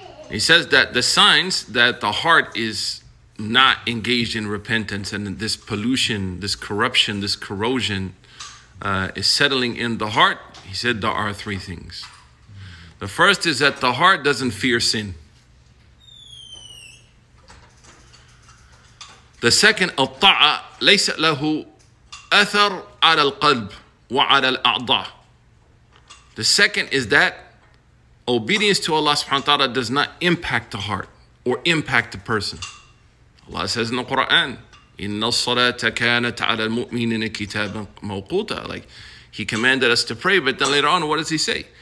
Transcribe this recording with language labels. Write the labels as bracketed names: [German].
[English] He says that the signs that the heart is not engaged in repentance and this pollution, this corruption, this corrosion is settling in the heart, he said there are three things. The first is that the heart doesn't fear sin. The second, [Arabic] الطاعة ليس له أثر على القلب وعلى الأعضاء. [English] The second is that obedience to Allah subhanahu wa ta'ala does not impact the heart or impact the person. Allah says in the Quran, [Arabic] إِنَّ الصَّلَاةَ كَانَتْ عَلَى الْمُؤْمِنِينَ كِتَابًا مَوْقُوتًا. [English] Like, He commanded us to pray, but then later on, what does He say?